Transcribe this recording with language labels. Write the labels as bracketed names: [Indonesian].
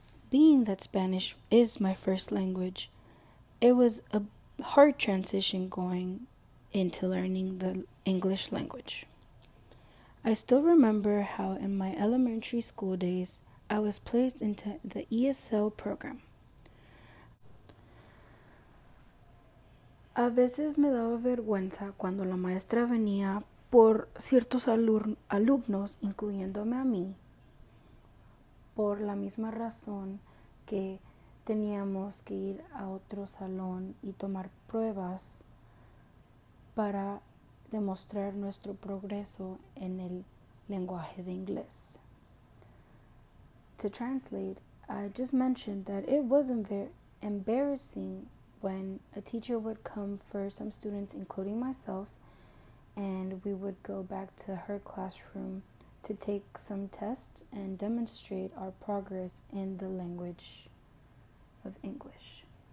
[English] Being that Spanish is my first language, it was a hard transition going into learning the English language. I still remember how in my elementary school days, I was placed into the ESL program. [Spanish] A veces me daba vergüenza cuando la maestra venía por ciertos alumnos, incluyéndome a mí, por la misma razón que teníamos que ir a otro salón y tomar pruebas para demostrar nuestro progreso en el lenguaje de inglés. [English] To translate, I just mentioned that it was embarrassing when a teacher would come for some students, including myself, and we would go back to her classroom to take some tests and demonstrate our progress in the language of English.